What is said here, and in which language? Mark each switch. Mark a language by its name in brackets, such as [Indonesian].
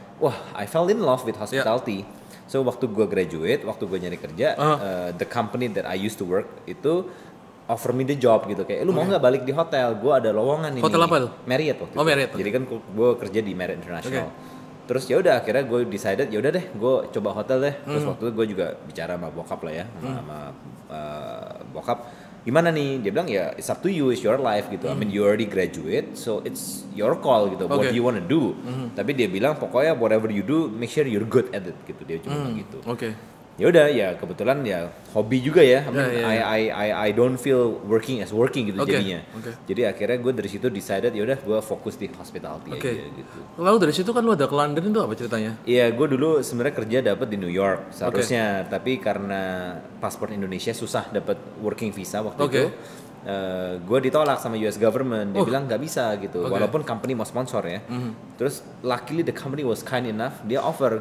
[English] Wah, I fell in love with hospitality. Yeah. So [Indonesian] waktu gue graduate, waktu gue nyari kerja, [English] the company that I used to work itu offer me the job gitu. [Indonesian] Kayak, lu mau gak balik di hotel? Gue ada lowongan hotel ini. Hotel apa itu? Marriott waktu itu. Marriott. Jadi kan gue kerja di Marriott International. Okay. Terus ya udah akhirnya gue decided ya udah deh gue coba hotel deh. Terus waktu itu gue juga bicara sama bokap lah ya, sama bokap. Gimana nih? Dia bilang ya [English] it's up to you, it's your life gitu. I mean you already graduate, so it's your call gitu. Okay. What do you wanna do? [Indonesian] Tapi dia bilang pokoknya [English] whatever you do, make sure you're good at it gitu. [Indonesian] Dia cuma bilang gitu. Okay. Ya udah ya kebetulan ya hobi juga ya. [English] I don't feel working as working gitu jadinya. Okay. [Indonesian] Jadi akhirnya gue dari situ decided ya udah gue fokus di hospitality aja gitu. Lalu dari situ kan lu ada ke London itu apa ceritanya? Iya, gue dulu sebenarnya kerja dapat di New York seharusnya, tapi karena paspor Indonesia susah dapat working visa waktu itu. Gue ditolak sama US government. Dia bilang gak bisa gitu. Walaupun company mau sponsor ya. [English] Terus luckily the company was kind enough, dia offer.